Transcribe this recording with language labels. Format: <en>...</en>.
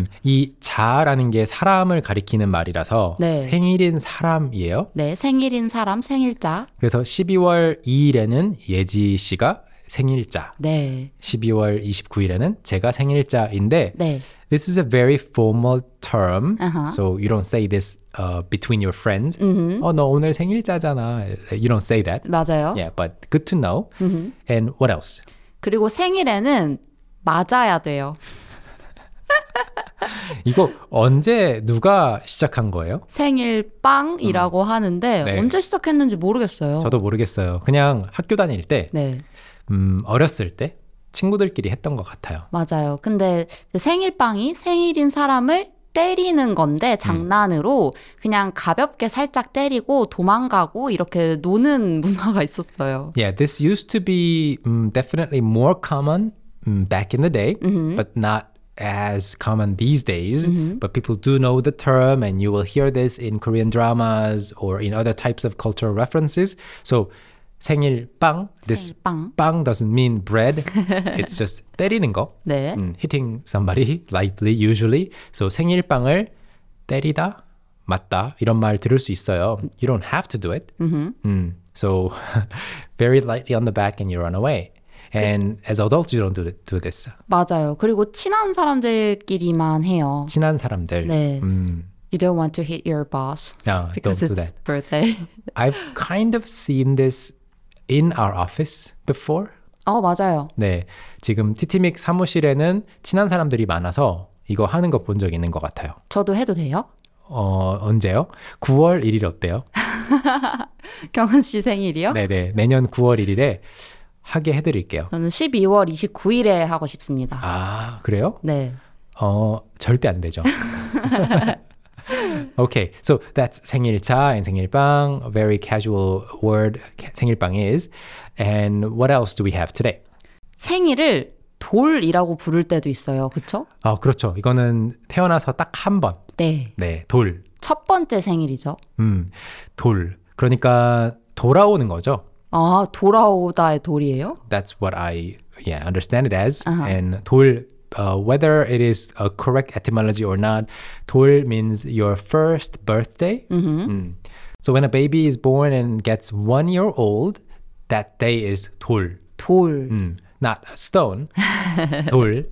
<ko>이 자라는 게 사람을 가리키는 말이라서 네. 생일인 사람이에요? 네, 생일인 사람, 생일자. 그래서 12월 2일에는 예지 씨가 생일자. 네. 12월 29일에는 제가 생일자인데 네.</ko> <en>This is a very formal term. Uh-huh. So you don't say this between your friends. Mm-hmm.</en> <ko>너 오늘 생일자잖아.</ko> <en>You don't say that.</en> <ko>맞아요.</ko> <en>Yeah, but good to know. Mm-hmm. And what else?</en> <ko>그리고 생일에는 맞아야 돼요. 이거 언제 누가 시작한 거예요? 생일 빵이라고 하는데 네. 언제 시작했는지 모르겠어요. 저도 모르겠어요. 그냥 학교 다닐 때 네. 어렸을 때 친구들끼리 했던 것 같아요. 맞아요. 근데 생일빵이 생일인 사람을 때리는 건데 장난으로 그냥 가볍게 살짝 때리고 도망가고 이렇게 노는 문화가 있었어요.</ko> <en>Yeah, this used to be definitely more common back in the day, but not as common these days. But people do know the term, and you will hear this in Korean dramas or in other types of cultural references. So 생일빵, this</en> <ko>생일빵.</ko> <en>빵 doesn't mean bread, it's just</en> <ko>때리는 거, 네.</ko> <en>Hitting somebody lightly usually.</en> <ko>So 생일빵을 때리다, 맞다, 이런 말 들을 수 있어요.</ko> <en>You don't have to do it. So very lightly on the back and you run away. And as adults, you don't do this.</en> <ko>맞아요. 그리고 친한 사람들끼리만 해요. 친한 사람들. 네.</ko> <en>You don't want to hit your boss because don't do it's that. Birthday. I've kind of seen this in our office before.</en> <ko>어, 맞아요. 네, 지금 티티믹 사무실에는 친한 사람들이 많아서 이거 하는 거 본 적 있는 것 같아요. 저도 해도 돼요? 어, 언제요? 9월 1일 어때요? 경은 씨 생일이요? 네네, 내년 9월 1일에 하게 해드릴게요. 저는 12월 29일에 하고 싶습니다. 아, 그래요? 네. 어, 절대 안 되죠.</ko> <en>Okay, so that's 생일차 and 생일빵, a very casual word 생일빵 is. And what else do we have today?</en> <ko>생일을 돌이라고 부를 때도 있어요, 그렇죠? 어, 그렇죠. 이거는 태어나서 딱 한 번. 네. 네, 돌. 첫 번째 생일이죠. 돌. 그러니까 돌아오는 거죠. 아, 돌아오다의 돌이에요?</ko> <en>That's what I yeah, understand it as. Uh-huh. And 돌. Whether it is a correct etymology or not, 돌 means your first birthday. So when a baby is born and gets 1 year old, that day is 돌.</en> <ko>돌.</ko> <en>Not a stone. 돌.</en>